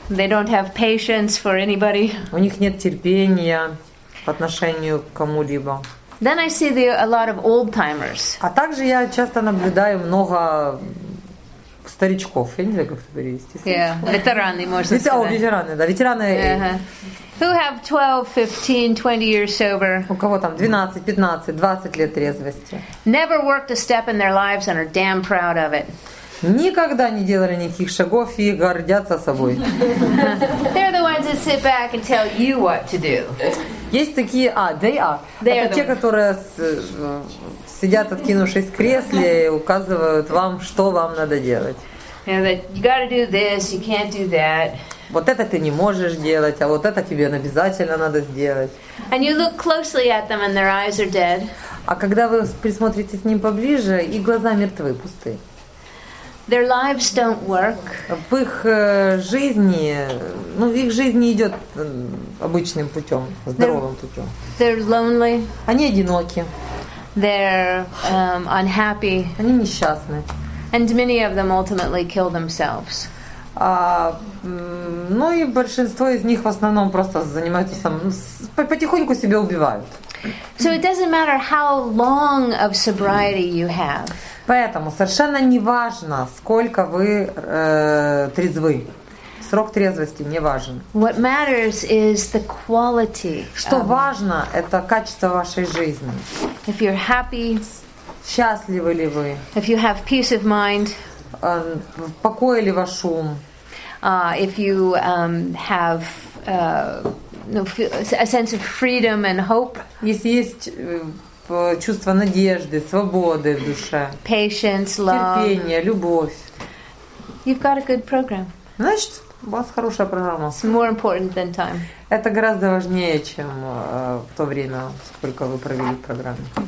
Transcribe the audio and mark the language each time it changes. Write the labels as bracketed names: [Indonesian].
[English] They don't have patience for anybody. [Russian] У них нет терпения по отношению к кому-либо. [English] Then I see a lot of old-timers. [Russian] А также я часто наблюдаю много старичков. Я не знаю, как это перевести. Ветераны, можно сказать. Ветераны, да, ветераны. [English] Who have 12, 15, 20 years sober? [Russian] У кого там 12, 15, 20 лет трезвости? [English] Never worked a step in their lives and are damn proud of it. [Russian] Никогда не делали никаких шагов и гордятся собой. [English] They're the ones that sit back and tell you what to do. [Russian] Есть такие, [English] they are. [Russian] Это те, которые сидят, откинувшись в кресле, и указывают вам, что вам надо делать. [English] Yeah, that you gotta do this, you can't do that. [Russian] Вот это ты не можешь делать, а вот это тебе обязательно надо сделать. [English] And you look closely at them and their eyes are dead. [Russian] А когда вы присмотритесь к ним поближе, их глаза мертвы, пусты. [English] Their lives don't work. [Russian] В их жизни, ну, их жизнь не идет обычным путем, здоровым путем. [English] They're lonely. [Russian] Они одиноки. [English] They're unhappy. [Russian] Они несчастны. [English] And many of them ultimately kill themselves. [Russian] Ну и большинство из них в основном просто занимаются потихоньку себя убивают. [English] So it doesn't matter how long of sobriety you have. [Russian] Поэтому совершенно не важно, сколько вы трезвы. Срок трезвости не важен. [English] What matters is the quality. [Russian] Что важно, это качество вашей жизни. [English] If you're happy. [Russian] Счастливы ли вы? [English] If you have peace of mind. [Russian] Покой ли ваш ум? [English] If you have a sense of freedom and hope. [Russian] Если есть чувство надежды, свободы в душе. [English] Patience, love. [Russian] Терпение, любовь. [English] You've got a good program. [Russian] Значит, у вас хорошая программа. [English] It's more important than time. [Russian] Это гораздо важнее, чем в то время, сколько вы провели в программе.